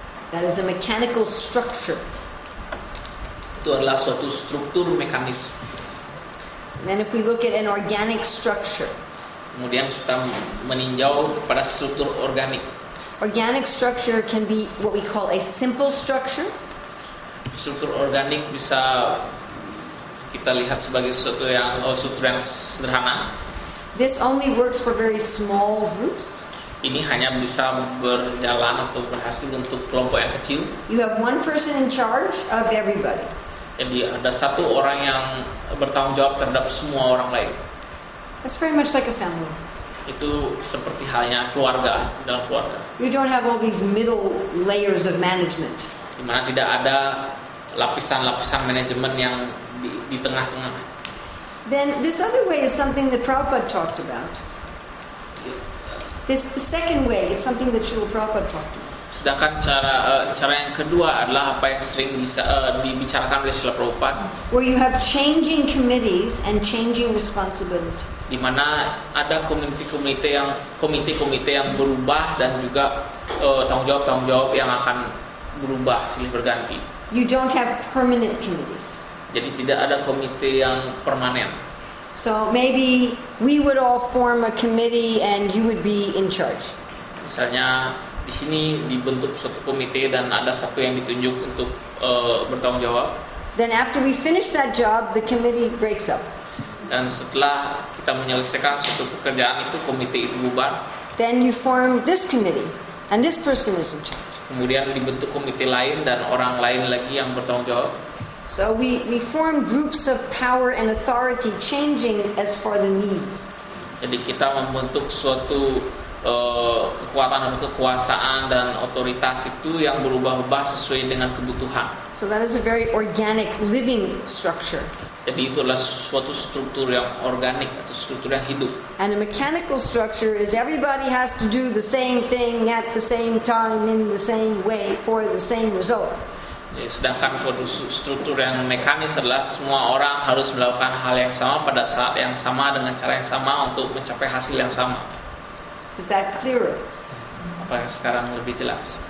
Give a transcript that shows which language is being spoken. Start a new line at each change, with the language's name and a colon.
English: That is a mechanical structure.
Indonesian: Itu adalah suatu struktur mekanis.
English: And then if we look at an organic structure.
Indonesian: Kemudian kita meninjau pada struktur organik.
English: Organic structure can be what we call a simple structure.
Indonesian: Struktur organik bisa kita lihat sebagai suatu yang struktur yang sederhana.
English: This only works for very small groups.
Indonesian: Ini hanya bisa berjalan atau berhasil untuk kelompok yang kecil.
English: You have one person in charge of everybody.
Indonesian: Jadi ada satu orang yang bertanggung jawab terhadap semua orang lain.
English: That's very much like a family.
Indonesian: Itu seperti halnya keluarga, dalam keluarga.
English: You don't have all these middle layers of management.
Indonesian: Di mana tidak ada lapisan-lapisan manajemen yang di tengah-tengah.
English: Then this other way is something that Prabhupada talked about. This the second way is something that Srila Prabhupada talked about.
Indonesian: Sedangkan cara yang kedua adalah apa yang sering dibicarakan oleh Srila Prabhupada.
English: Where you have changing committees and changing responsibilities.
Indonesian: Di mana ada komite-komite yang berubah dan juga tanggung jawab yang akan berubah silih berganti.
English: You don't have permanent committees.
Indonesian: Jadi tidak ada komite yang permanen.
English: So maybe we would all form a committee and you would be in charge.
Indonesian: Misalnya di sini dibentuk suatu komite dan ada satu yang ditunjuk untuk bertanggung jawab.
English: Then after we finish that job, the committee breaks up.
Indonesian: Dan setelah kita menyelesaikan suatu pekerjaan itu, komite itu bubar.
English: Then you form this committee and this person is in charge.
Indonesian: Kemudian dibentuk komite lain dan orang lain lagi yang bertanggung jawab.
English: So we form groups of power and authority changing as for the needs.
Indonesian: Jadi kita membentuk suatu kekuatan atau kekuasaan dan otoritas itu yang berubah-ubah sesuai dengan kebutuhan.
English: So that is a very organic living structure.
Indonesian: Jadi itu adalah suatu struktur yang organik atau struktur yang hidup.
English: And a mechanical structure is everybody has to do the same thing at the same time in the same way for the same result.
Indonesian: Sedangkan struktur yang mekanis adalah semua orang harus melakukan hal yang sama pada saat yang sama dengan cara yang sama untuk mencapai hasil yang sama.
English: Is that clearer?
Indonesian: apa yang sekarang lebih jelas.